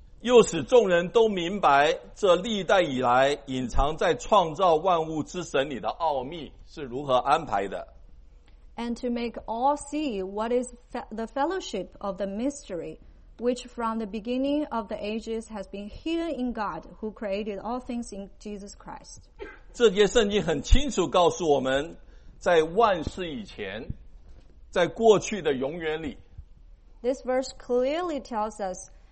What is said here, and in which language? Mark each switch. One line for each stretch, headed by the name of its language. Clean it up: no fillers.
Chinese: 又使众人都明白这历代以来隐藏在创造万物之神里的奥秘是如何安排的。
English: And to make all see what is the fellowship of the mystery,which from the beginning of the ages has been hidden in God who created all things in Jesus Christ.
Chinese: 这节圣经很清楚告诉我们在万事以前在过去的永远里。
English: This verse clearly tells us